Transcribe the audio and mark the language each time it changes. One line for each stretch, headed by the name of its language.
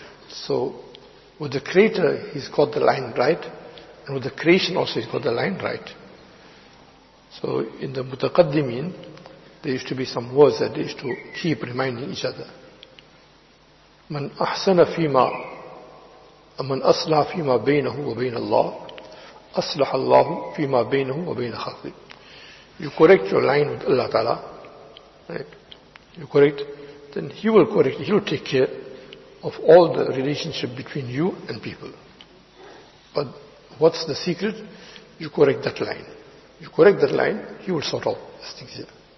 English: So with the Creator, he's got the line right, and with the creation also, he's got the line right. So in the Mutaqaddimeen, there used to be some words that they used to keep reminding each other.
Arabic: Man ahsana fima من أصلح فيما بينه وبين الله أصلح الله فيما بينه وبين خلقه.
English: You correct your line with Allah Ta'ala, right? You correct, then He will correct, He will take care of all the relationship between you and people. But what's the secret? You correct that line. You correct that line, He will sort out these things here.